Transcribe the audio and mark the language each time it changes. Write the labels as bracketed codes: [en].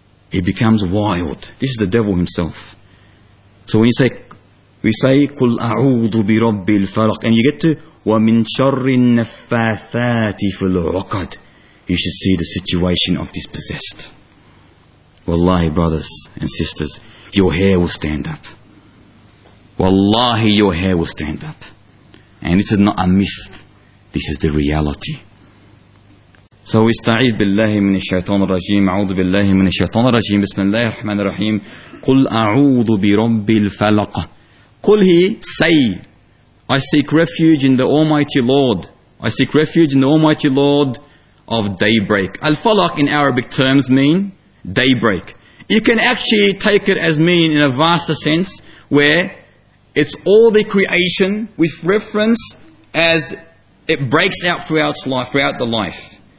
[en] He becomes wild. This is the devil himself. So when you say, we say, [ar] قُلْ أَعُوذُ بِرَبِّ الْفَلَقِ, [en] and you get to, [ar] وَمِن شَرِّ النَّفَّاثَاتِ فِي الْعُقَدِ, [en] you should see the situation of this possessed. Wallahi, brothers and sisters, your hair will stand up. Wallahi, your hair will stand up. And this is not a myth. This is the reality. So we [ar] استعيذ بالله من الشيطان الرجيم أعوذ بالله من الشيطان الرجيم بسم الله الرحمن الرحيم قُلْ أَعُوذُ بِرَبِّ الْفَلَقِ. [en] Qulhi, say, I seek refuge in the Almighty Lord. I seek refuge in the Almighty Lord of daybreak. Al-Falaq in Arabic terms mean daybreak. You can actually take it as mean in a vaster sense, where it's all the creation with reference as it breaks out throughout life, throughout the life.